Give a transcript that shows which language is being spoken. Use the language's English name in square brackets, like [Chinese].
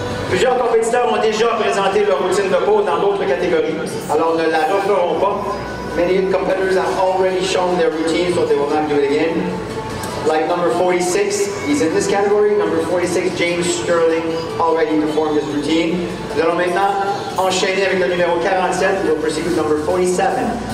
[French] Plusieurs compétiteurs ont déjà présenté leur routine de pose dans d'autres catégories, alors ne la referons pas. [English] Many competitors have already shown their routines, so they will not do it again. Like number 46, he's in this category. Number 46, James Sterling, already performed his routine. [French] Nous allons maintenant enchaîner avec le numéro 47, [English] we'll proceed with number 47.